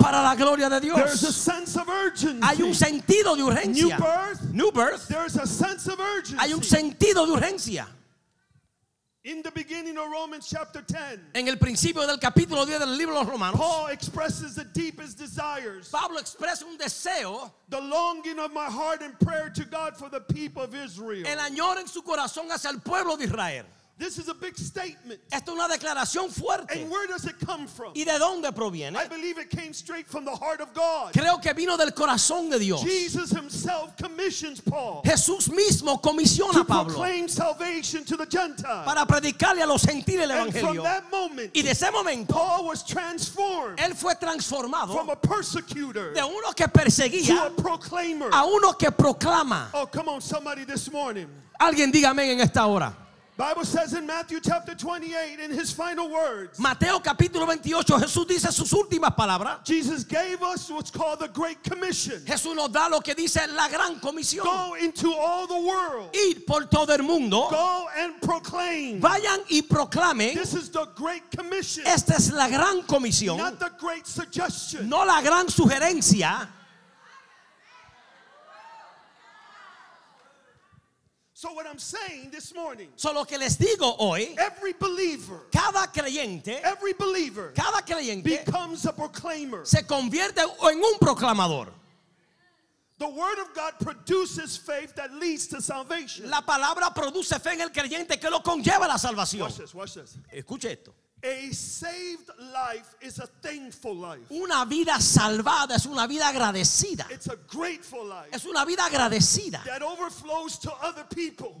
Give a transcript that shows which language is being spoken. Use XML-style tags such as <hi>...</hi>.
<es>Para la gloria de Dios.</es> <en>There's a sense of urgency.</en> <es>Hay un sentido de urgencia.</es> <en>New birth. New birth. There's a sense of urgency.</en> <es>Hay un sentido de urgencia.</es> <en>In the beginning of Romans chapter 10.</en> <es>En el principio del capítulo 10 del libro de los Romanos.</es> <en>Paul expresses the deepest desires.</en> <es>Pablo expresa un deseo.</es> <en>The longing of my heart in prayer to God for the people of Israel.</en> <es>El añoro en su corazón hacia el pueblo de Israel.</es> <en>This is a big statement.</en> <es>Esta es una declaración fuerte.</es> <en>And where does it come from?</en> <es>¿Y de dónde proviene?</es> <en>I believe it came straight from the heart of God.</en> <es>Creo que vino del corazón de Dios.</es> <en>Jesus himself commissions Paul.</en> <es>Jesús mismo comisiona</es> <en>to</en> <es>a Pablo.</es> <en>To proclaim salvation to the Gentiles.</en> <es>Para predicarle a los gentiles el</es> <en>and</en> <es>evangelio.</es> <en>From that moment,</en> <es>y de ese momento,</es> <en>Paul was transformed.</en> <es>Él fue transformado</es> <en>from a persecutor</en> <es>de uno que perseguía</es> <en>to a proclaimer.</en> <es>A uno que proclama.</es> <en>Oh, come on, somebody this morning.</en> <es>Alguien diga amén en esta hora.</es> <en>Bible says in Matthew chapter 28 in his final words.</en> <es>Mateo capítulo 28, Jesús dice sus últimas palabras.</es> <en>Jesus gave us what's called the Great Commission.</en> <es>Jesús nos da lo que dice la gran comisión.</es> <en>Go into all the world.</en> <es>Ir por todo el mundo.</es> <en>Go and proclaim.</en> <es>Vayan y proclamen.</es> <en>This is the Great Commission.</en> <es>Esta es la gran comisión.</es> <en>Not the great suggestion.</en> <es>No la gran sugerencia.</es> <en>So what I'm saying this morning.</en> <es>So lo que les digo hoy.</es> <en>Every believer.</en> <es>Cada creyente.</es> <en>Every believer.</en> <es>Cada creyente.</es> <en>Becomes a proclaimer.</en> <es>Se convierte en un proclamador.</es> <en>The word of God produces faith that leads to salvation.</en> <es>La palabra produce fe en el creyente que lo conlleva a la salvación.</es> <en>Watch this. Watch this.</en> <es>Escuche esto.</es> <en>A saved life is a thankful life.</en> <es>Una vida salvada es una vida agradecida.</es> <en>It's a grateful life.</en> <es>Es una vida agradecida.</es> <en>That overflows to other people.</en>